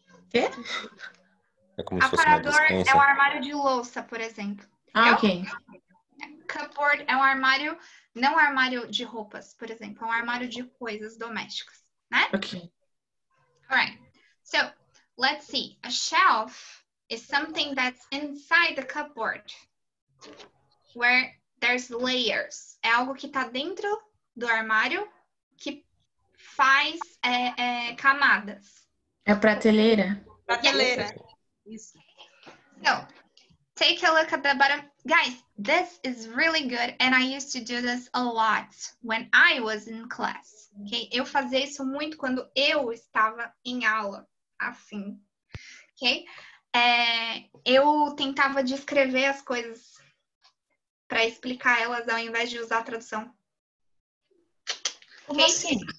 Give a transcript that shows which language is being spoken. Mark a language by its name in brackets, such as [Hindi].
[Portuguese] Quê? É como aparador se fosse uma dispensa. É um armário de louça, por exemplo. Ah, ok. Cupboard é um armário, não armário de roupas, por exemplo. É um armário de coisas domésticas, né? Ok. [English] All right. So, let's see. A shelf is something that's inside the cupboard. Where there's layers. [Portuguese] É algo que tá dentro do armário que faz camadas. É prateleira. Prateleira. Isso. [English] So, take a look at the bottom. Guys, this is really good and I used to do this a lot when I was in class. Okay? [Portuguese] Eu fazia isso muito quando eu estava em aula, assim. Okay? Eu tentava descrever as coisas para explicar elas ao invés de usar a tradução. Okay? Como assim?